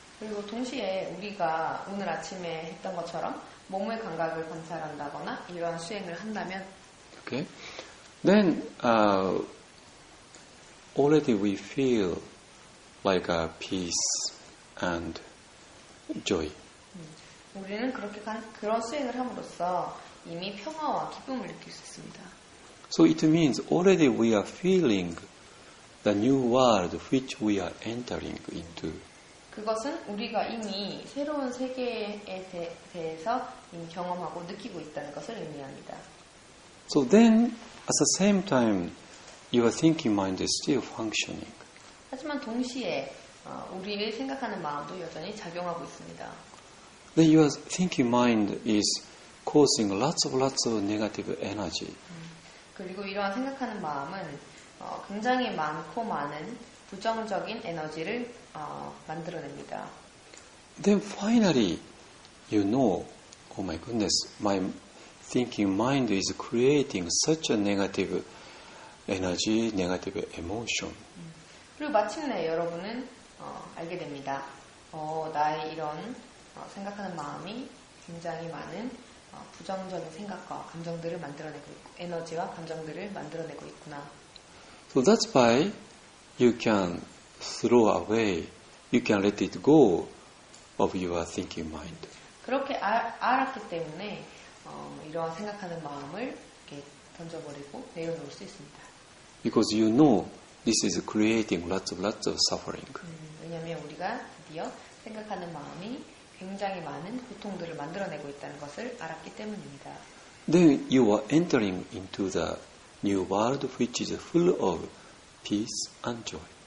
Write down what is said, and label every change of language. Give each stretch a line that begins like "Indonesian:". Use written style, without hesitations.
Korean: 그리고 동시에 우리가 오늘 아침에 했던 것처럼 몸의 감각을 관찰한다거나 이러한 수행을 한다면
English: okay. Then already we feel like a peace and joy.
Korean: 우리는 그렇게 그런 수행을 함으로써 이미 평화와 기쁨을 느낄 수 있습니다.
English: So it means already we are feeling the new world which we are entering into.
Korean: 그것은 우리가 이미 새로운 세계에 대해서 이미 경험하고 느끼고 있다는 것을 의미합니다.
English: So then, at the same time, your thinking mind is still functioning.
Korean: 하지만 동시에 우리의 생각하는 마음도 여전히 작용하고 있습니다.
English: Then your thinking mind is causing lots of negative energy.
Korean: 그리고 이러한 생각하는 마음은 굉장히 많고 많은 부정적인 에너지를 만들어냅니다.
English: Then finally, you know, oh my goodness, my thinking mind is creating such a negative energy, negative emotion.
Korean: 그리고 마침내 여러분은 알게 됩니다. 나의 이런 생각하는 마음이 굉장히 많은 부정적인 생각과 감정들을 만들어내고 있고 에너지와 감정들을 만들어내고 있구나.
English: So that's why you can throw away, you can let it go of your thinking mind.
Korean: 그렇게 알았기 때문에 이러한 생각하는 마음을 이렇게 던져버리고 내려놓을 수 있습니다.
English: Because you know this is creating lots of suffering.
Korean: 왜냐하면 우리가 드디어 생각하는 마음이 굉장히 많은 고통들을 만들어내고 있다는 것을 알았기 때문입니다.
English: Then you are entering into the new world which is full of peace and joy.